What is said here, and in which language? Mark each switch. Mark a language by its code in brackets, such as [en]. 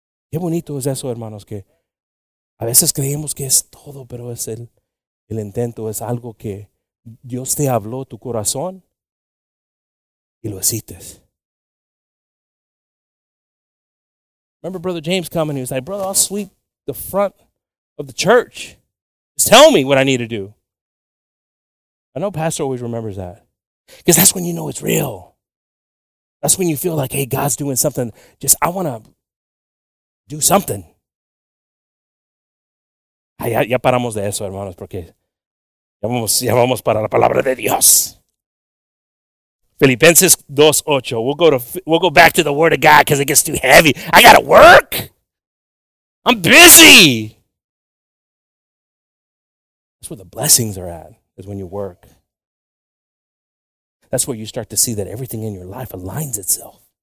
[es] Qué bonito es eso, hermanos, que a veces creemos que es todo, pero es el intento, es algo que Dios te habló tu corazón y lo hiciste. [en] Remember Brother James coming? He was like, "Brother, I'll sweep the front of the church. Just tell me what I need to do." I know Pastor always remembers that. Because that's when you know it's real. That's when you feel like, hey, God's doing something. Just, I want to do something. [es] Ya paramos de eso, hermanos, porque ya vamos para la palabra de Dios. Filipenses 2:8. [en] We'll go back to the Word of God because it gets too heavy. I gotta work. I'm busy. That's where the blessings are at, is when you work. That's where you start to see that everything in your life aligns itself.